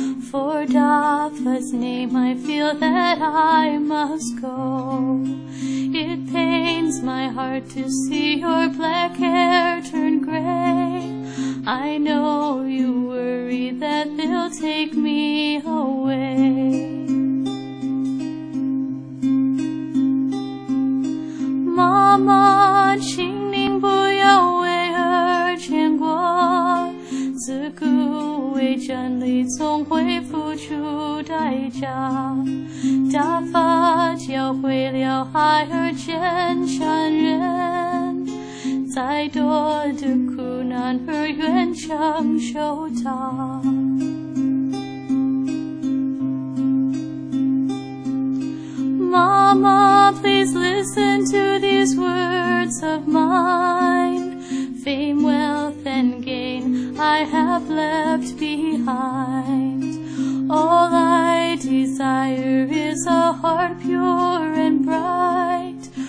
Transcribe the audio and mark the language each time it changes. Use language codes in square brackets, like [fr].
[en] For Dafa's name I feel that I must go. It pains my heart to see your black hair turn gray. I know you worry that they'll take me away. [zh] Mama, 请您不要为儿牵挂自古为真理总会付出代价，大法教会了孩儿真善人，再多的苦难儿愿承受它。 [en] 妈妈 please listen to these words of mineFame, wealth, and gain I have left behind. All I desire is a heart pure and bright.